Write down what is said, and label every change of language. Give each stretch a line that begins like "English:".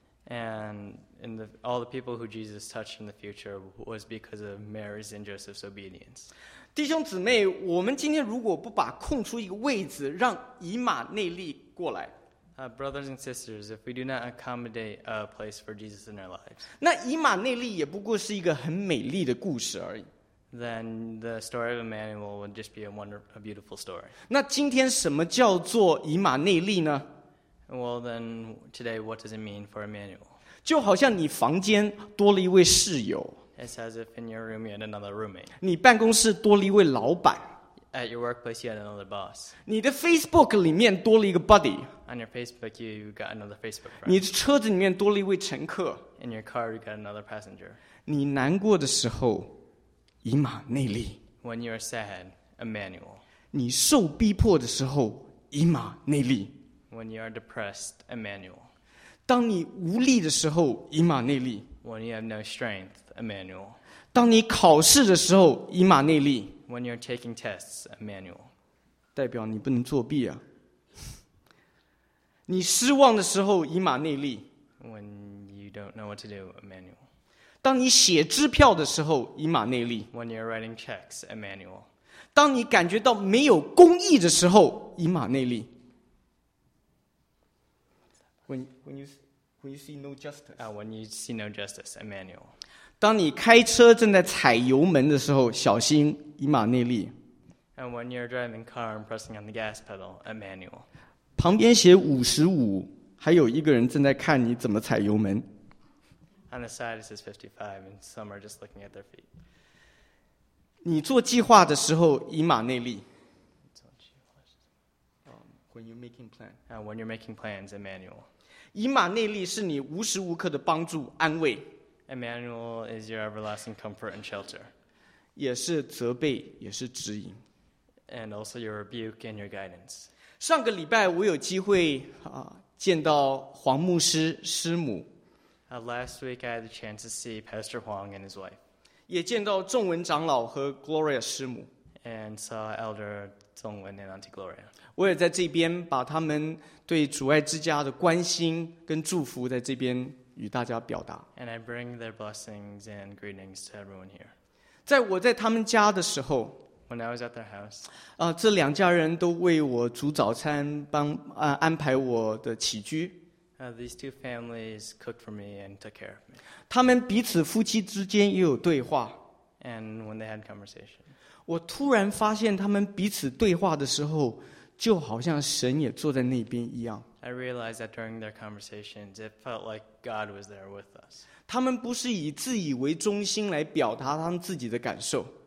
English: And all the people who Jesus touched in the future was because of Mary's and Joseph's obedience.
Chinese: 弟兄姊妹，我们今天如果不把空出一个位置让以马内利过来，
English: brothers and sisters, if we do not accommodate a place for Jesus in our lives,
Chinese: 那以马内利也不过是一个很美丽的故事而已。
English: Then the story of Emmanuel would just be a beautiful story.
Chinese: 那今天什么叫做以马内利呢？
English: Well, then today, what does it mean for Emmanuel?
Chinese: 就好像你房间多了一位室友，
English: It's as if in your room you had another roommate.
Chinese: 你办公室多了一位老板，
English: At your workplace you had another boss.
Chinese: 你的 Facebook 里面多了一个 buddy.
English: On your Facebook you got another Facebook friend.
Chinese: 你的车子里面多了一位乘客，
English: In your car you got another passenger.
Chinese: 你难过的时候，以马内利，
English: When you are sad, Emmanuel.
Chinese: 你受逼迫的时候，以马内利，
English: When you are depressed, Emmanuel.
Chinese: 当你无力的时候，以马内利。
English: When you have no strength, Emmanuel.
Chinese: 当你考试的时候，以马内利。
English: When you're taking tests, Emmanuel.
Chinese: 代表你不能作弊啊。你失望的时候，以马内利。
English: When you don't know what to do, Emmanuel.
Chinese: 当你写支票的时候，以马内利。
English: When you're writing checks, Emmanuel.
Chinese: 当你感觉到没有公义的时候，以马内利。
English: When you see no justice. When you see no justice, Emmanuel.
Chinese: 当你开车正在踩油门的时候，小心，以马内利。
English: And when you're driving a car and pressing on the gas pedal, a manual.
Chinese: 旁边写55，还有一个人正在看你怎么踩油门。
English: On the side it says 55, and some are just looking at their feet.
Chinese: 你做计划的时候，以马内利。
English: When you're making plans. When you're making plans, Emmanuel.
Chinese: 以马内利是你无时无刻的帮助、安慰。
English: Emmanuel is your everlasting comfort and shelter.
Chinese: 也是责备，也是指引。
English: And also your rebuke and your guidance.
Chinese: 上个礼拜我有机会见到黄牧师师母。
English: Last week I had the chance to see Pastor Huang and his wife.
Chinese: 也见到仲文长老和 Gloria 师母。
English: And saw Elder 仲文 and Auntie Gloria.
Chinese: 我也在这边把他们对主爱之家的关心跟祝福在这边与大家表达。
English: And I bring their blessings and greetings to everyone here.
Chinese: 在我在他们家的时候。
English: When I was at their house,
Chinese: 这两家人都为我煮早餐，帮安排我的起居。
English: These two families cooked for me and took care of me.
Chinese: 他们彼此夫妻之间也有对话。
English: And when they had conversation,
Chinese: 我突然发现他们彼此对话的时候，就好像神也坐在那边一样。
English: I realized that during their conversations, it felt like God was there with us.
Chinese: 他们不是以自以为中心来表达他们自己的感受。